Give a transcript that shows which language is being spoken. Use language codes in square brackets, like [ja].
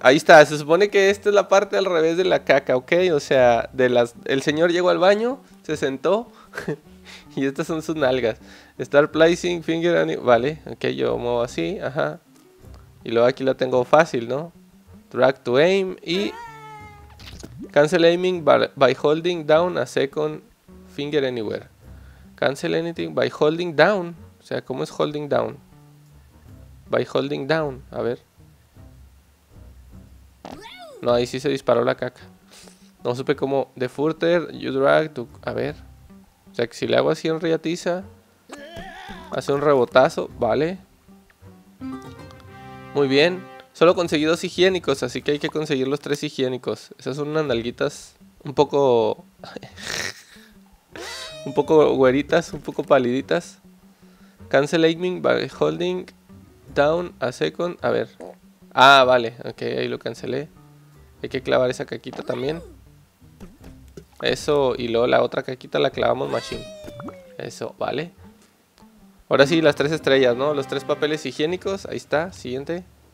[es] Ahí está, se supone que esta es la parte al revés de la caca, ¿ok? O sea, el señor llegó al baño, se sentó, y estas son sus nalgas. [en] Start placing finger on it, [es] ¿vale? Ok, yo muevo así, ajá. Y luego aquí la tengo fácil, ¿no? [en] Drag to aim, y... Cancel aiming by holding down a second finger anywhere. Cancel anything by holding down. [es] O sea, ¿cómo es [en] holding down? By holding down. [es] A ver. No, ahí sí se disparó la caca. No supe cómo. [en] The further you drag to... [es] A ver. O sea, que si le hago así en riatiza, hace un rebotazo. Vale. Muy bien. Solo conseguí dos higiénicos, así que hay que conseguir los tres higiénicos. Esas son unas nalguitas un poco... un poco güeritas, un poco paliditas. [en] Cancel aiming by holding down a second. [es] A ver. Ah, vale. Ok, ahí lo cancelé. Hay que clavar esa caquita también. Eso, y luego la otra caquita la clavamos machine. Eso, vale. Ahora sí, las tres estrellas, ¿no? Los tres papeles higiénicos. Ahí está, siguiente.